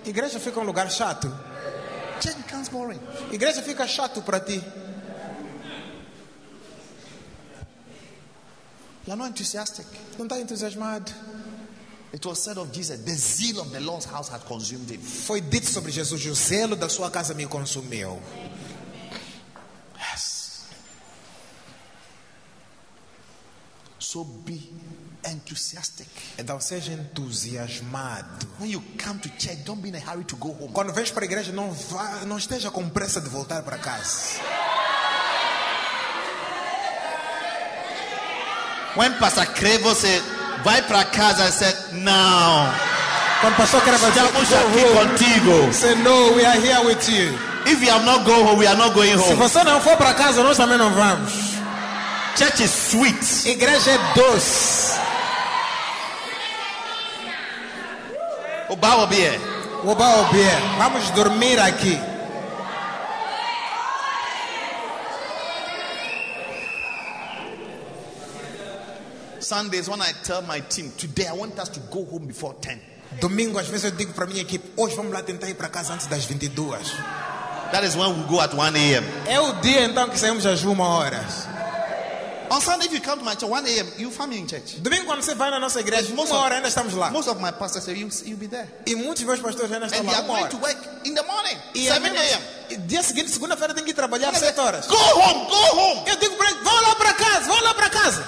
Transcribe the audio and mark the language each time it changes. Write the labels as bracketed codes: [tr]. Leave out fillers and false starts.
[pt] Igreja fica um lugar chato. [en] Church becomes boring. [pt] Igreja fica chato para ti. [en] You're not enthusiastic. [pt] Não está entusiasmado. [en] It was said of Jesus, the zeal of the Lord's house had consumed him. [pt] Foi dito sobre Jesus, o zelo da sua casa me consumiu. [en] Yes. So be enthusiastic. [pt] Então seja entusiasmado. [en] When you come to church, don't be in a hurry to go home. [pt] Quando vens para a igreja, não vá, não esteja com pressa de voltar para casa. [en] When Pastor Crevo said, [pt] vai para casa, [en] I said, now. [pt] Quando Pastor Crevo já puxa aqui contigo. [en] Say, no, we are here with you. If you have not gone home, we are not going home. [pt] Se você não for para casa, nós também não vamos. [en] Church is sweet. [pt] Igreja é doce. Oba, obi é. Oba, obi é. Vamos dormir aqui. [en] Sundays when I tell my team today I want us to go home before 10. [pt] Domingo às vezes eu digo para minha equipe hoje vamos lá tentar ir para casa antes das 22. [en] That is when we go at 1 a.m. [pt] É o dia então que saímos às 1 horas. [en] On Sunday if you come to my church 1 a.m. you find me in church. [pt] Domingo quando você vai na nossa igreja [en] most [pt] 1 hora ainda estamos lá. [en] Most of my pastors say you'll be there. [pt] E muitos meus pastores ainda estão [en] and [pt] lá. [en] And they are going to work in the morning. 7 a.m. [pt] Dia seguinte segunda-feira tem que trabalhar 7 horas. [en] Go home, go home. [pt] Eu digo para eles, vão lá para casa, vão lá para casa.